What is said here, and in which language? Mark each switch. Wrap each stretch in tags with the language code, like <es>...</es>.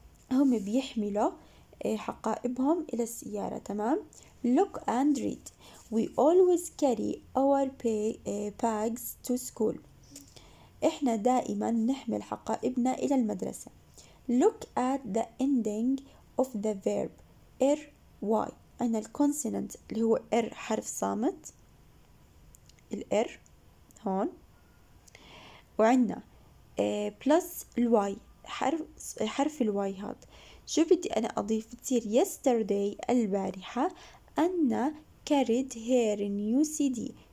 <ar>هم بيحملوا حقائبهم إلى السيارة.</ar> <en>تمام، look and read. we always carry our bags to school.</en> <ar>إحنا دائما نحمل حقائبنا إلى المدرسة.</ar> <en>Look at the ending of the verb r y.</en> <ar>أنا الكونسوننت اللي هو r حرف صامت، الr هون. وعندنا plus الواي، حرف الواي هذا شو بدي أنا أضيف؟ بتصير yesterday البارحة أنا</ar> <en>carried her new CD.</en>